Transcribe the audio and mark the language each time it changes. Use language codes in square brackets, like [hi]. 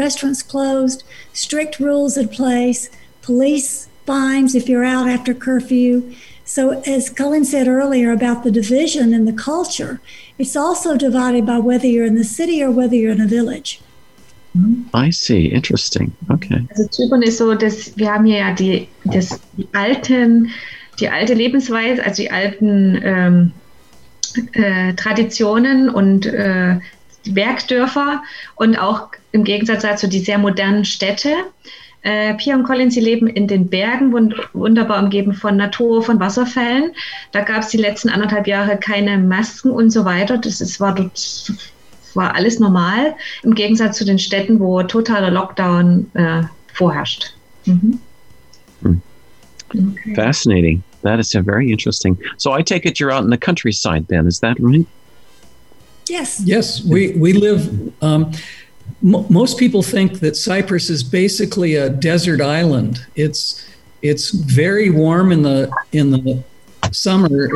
[en] Restaurants closed, strict rules in place, police fines if you're out after curfew. So as Colin said earlier about the division in the culture, it's also divided by whether you're in the city or whether you're in a village. I see. Interesting. Okay. [de] Also Zypern ist so, dass wir haben hier ja die alte Lebensweise, also die alten Traditionen und Bergdörfer und auch im Gegensatz dazu die sehr modernen Städte. Pia und Colin, sie leben in den Bergen, wunderbar umgeben von Natur, von Wasserfällen. Da gab es die letzten 1,5 Jahre keine Masken und so weiter. Das war alles normal, im Gegensatz zu den Städten, wo totaler Lockdown vorherrscht. [en] Okay. Fascinating. That is very interesting. So I take it you're out in the countryside then, is that right? Yes. Yes, we live, most people think that Cyprus is basically a desert island. It's very warm in the summer.